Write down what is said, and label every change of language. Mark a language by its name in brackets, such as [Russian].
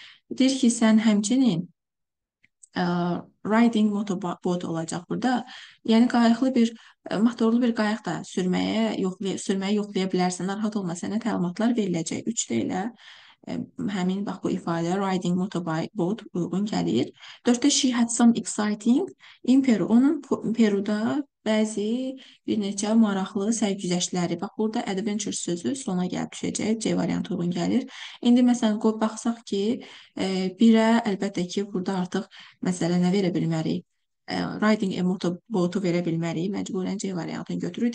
[Azerbaijani] Deyir ki, sən həmçinin [English] riding motorboat [Azerbaijani] olacaq burada. Yəni qayıqlı bir motorlu bir qayıq da sürməyə yoxlaya bilərsən. Rahat olma, sənə təlimatlar veriləcək. 3D ilə həmin bax bu ifadə [English] riding motorboat [Azerbaijani] uyğun gəlir. [English] 4-də she had some exciting in Peru. [Azerbaijani] Onun Peru'da bəzi bir neçə maraqlı sərgüzəştləri. Bax, burada adventure sözü sona gəlib düşəcək. C variantı uyğun gəlir. İndi məsələn baxsaq ki, birə əlbəttə ki, burada artıq məsələn nə verə bilmərik? [English] Riding a motorboat- [Azerbaijani] u verə bilmərik. Məcburən C variantını götürür.